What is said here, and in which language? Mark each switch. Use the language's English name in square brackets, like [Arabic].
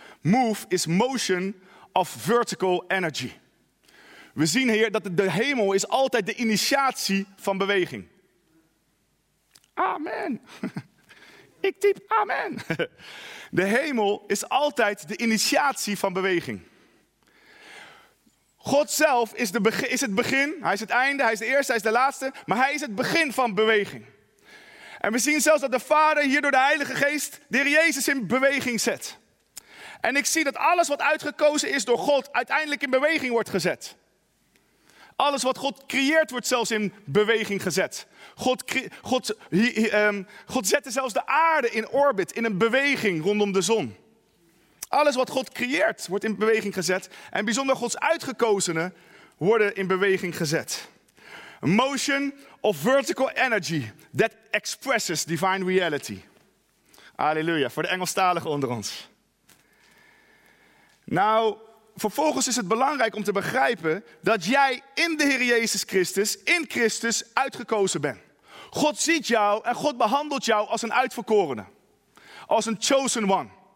[English] Move is motion of vertical energy. [Dutch] We zien hier dat de hemel is altijd de initiatie van beweging. Amen. Ik typ amen. De hemel is altijd de initiatie van beweging. God zelf is het begin, hij is het einde, hij is de eerste, hij is de laatste, maar hij is het begin van beweging. En we zien zelfs dat de Vader hier door de Heilige Geest de Heer Jezus in beweging zet. En ik zie dat alles wat uitgekozen is door God uiteindelijk in beweging wordt gezet. Alles wat God creëert wordt zelfs in beweging gezet. God zette zelfs de aarde in orbit, in een beweging rondom de zon. Alles wat God creëert wordt in beweging gezet. En bijzonder Gods uitgekozenen worden in beweging gezet. [English] Motion of vertical energy that expresses divine reality. [Dutch] Halleluja, voor de Engelstaligen onder ons. Nou, vervolgens is het belangrijk om te begrijpen dat jij in de Heer Jezus Christus, in Christus, uitgekozen bent. God ziet jou en God behandelt jou als een uitverkorene. Als een [English] chosen one.